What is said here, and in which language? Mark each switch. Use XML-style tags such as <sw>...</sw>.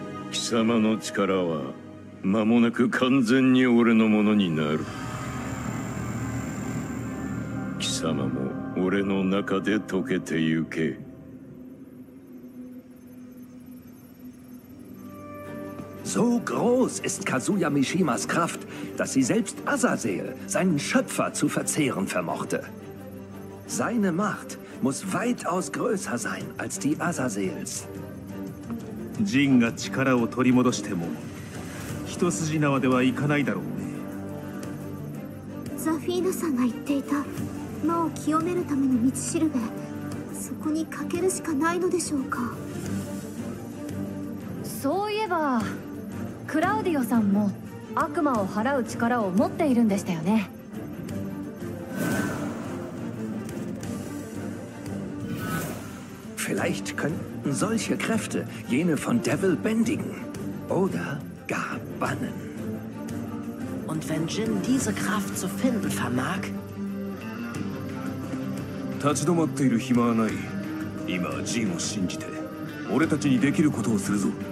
<ja>貴様の力は、間もなく完全に俺のものになる。貴様も俺の中で溶けてゆけ。</ja> <de>So groß ist Kazuya Mishimas Kraft, dass sie selbst Azazel, seinen Schöpfer, zu verzehren vermochte. Seine Macht... muss weitaus größer sein als die Azazels.</de> <ja>Jin が力を取り戻しても一筋縄ではいかないだろうね。ザフィーナさんが言っていた魔を清めるための道しるべ、そこにかけるしかないのでしょうか。そういえばクラウディオさんも悪魔を払う力を持っているんでしたよね。</ja> <de>Vielleicht könnten solche Kräfte jene von Devil bändigen oder gar bannen. Und wenn Jin diese Kraft zu finden vermag?</de> <ja>立ち止まっている暇はない。今ジンを信じて、俺たちにできることをするぞ。</ja>